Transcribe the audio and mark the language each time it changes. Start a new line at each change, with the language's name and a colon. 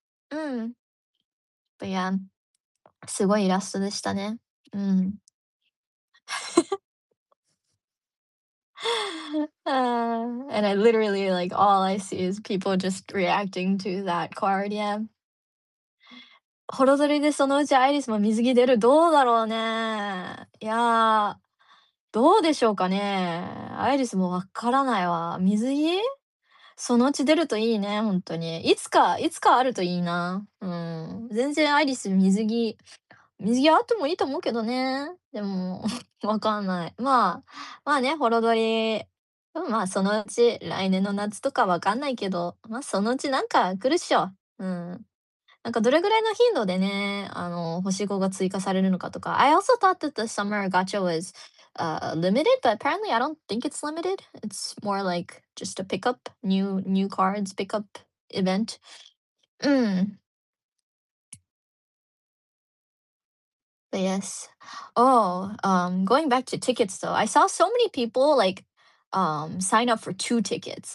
English: But yeah,
Japanese: すごいイラストでしたね。
English: And I literally, like, all I see is people just reacting to that card. Yeah.
Japanese: ホロドリでそのうちアイリスも水着出る。どうだろうね。いやー、どうでしょうかね。アイリスもわからないわ。水着そのうち出るといいね、本当に。いつかあるといいな。うん。全然アイリス水着あってもいいと思うけどね。でも、わかんない。まあね、ホロドリ。まあそのうち、来年の夏とかわかんないけど、まあそのうちなんか来るっしょ。うん。なんかどれぐらいの頻度でね、あの星5が追加されるのかとか。
English: I also thought that the summer gacha was limited, but apparently I don't think it's limited. It's more like just a pickup, new cards pickup event. But yes. Oh, going back to tickets though, I saw so many people like sign up for two tickets.